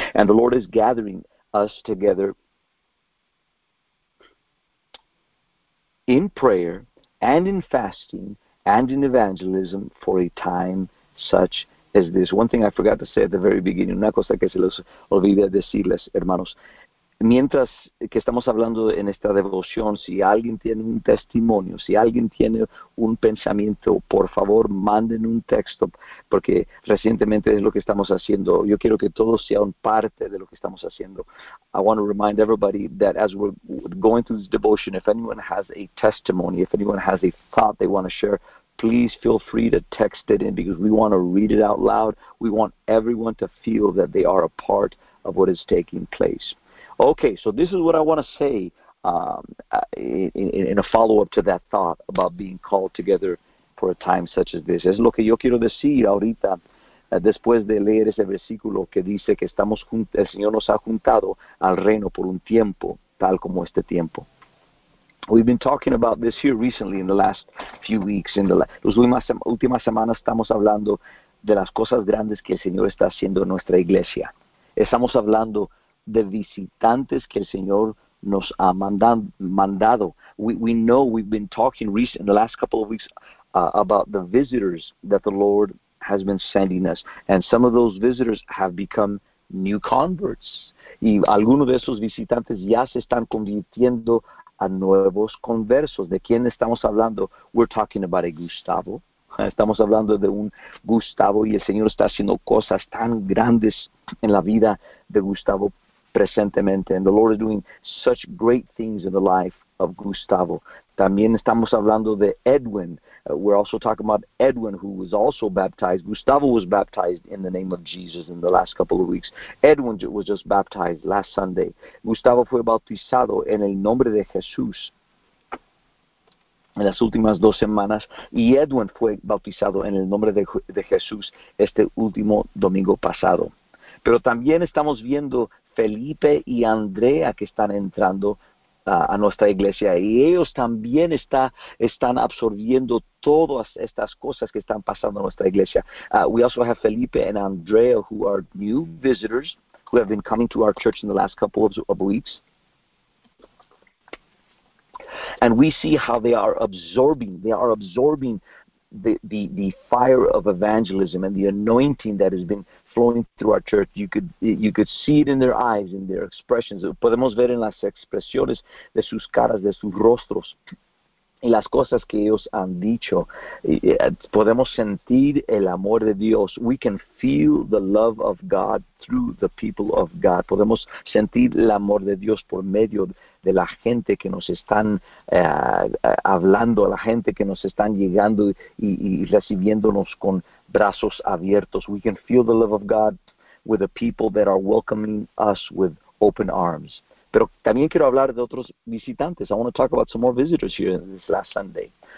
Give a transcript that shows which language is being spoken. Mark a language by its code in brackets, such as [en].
[en] And the Lord is gathering us together in prayer and in fasting and in evangelism for a time such as this. One thing I forgot to say at the very beginning, [es] una cosa que se los olvidé decirles, hermanos. Mientras que estamos hablando en esta devoción, si alguien tiene un testimonio, si alguien tiene un pensamiento, por favor, manden un texto, porque recientemente es lo que estamos haciendo. Yo quiero que todos sean parte de lo que estamos haciendo. [en] I want to remind everybody that as we're going through this devotion, if anyone has a testimony, if anyone has a thought they want to share, please feel free to text it in, because we want to read it out loud. We want everyone to feel that they are a part of what is taking place. Okay, so this is what I want to say in a follow-up to that thought about being called together for a time such as this. [es] Es lo que yo quiero decir ahorita, después de leer ese versículo que dice que el Señor nos ha juntado al reino por un tiempo, tal como este tiempo. [en] We've been talking about this here recently in the last few weeks. In the [es] últimas semanas estamos hablando de las cosas grandes que el Señor está haciendo en nuestra iglesia. Estamos hablando de visitantes que el Señor nos ha mandado. [en] We know, we've been talking recently, in the last couple of weeks, about the visitors that the Lord has been sending us. And some of those visitors have become new converts. [es] Y algunos de esos visitantes ya se están convirtiendo a nuevos conversos. ¿De quién estamos hablando? [en] We're talking about a Gustavo. [es] Estamos hablando de un Gustavo, y el Señor está haciendo cosas tan grandes en la vida de Gustavo presentemente. [en] And the Lord is doing such great things in the life of Gustavo. [es] También estamos hablando de Edwin. [en] We're also talking about Edwin, who was also baptized. Gustavo was baptized in the name of Jesus in the last couple of weeks. Edwin was just baptized last Sunday. [es] Gustavo fue bautizado en el nombre de Jesús en las últimas dos semanas, y Edwin fue bautizado en el nombre de Jesús este último domingo pasado. Pero también estamos viendo Felipe y Andrea que están entrando a nuestra iglesia, y ellos también están absorbiendo todas estas cosas que están pasando en nuestra iglesia. [en] We also have Felipe and Andrea, who are new visitors, who have been coming to our church in the last couple of weeks. And we see how they are absorbing the fire of evangelism and the anointing that has been flowing through our church. You could see it in their eyes, in their expressions. [es] Podemos ver en las expresiones de sus caras, de sus rostros, y las cosas que ellos han dicho. Podemos sentir el amor de Dios. [en] We can feel the love of God through the people of God. [es] Podemos sentir el amor de Dios por medio de la gente que nos están hablando, la gente que nos están llegando y recibiéndonos con brazos abiertos. [en] We can feel the love of God with the people that are welcoming us with open arms. [es] Pero también quiero hablar de otros visitantes. [en] I want to talk about some more visitors here this last Sunday.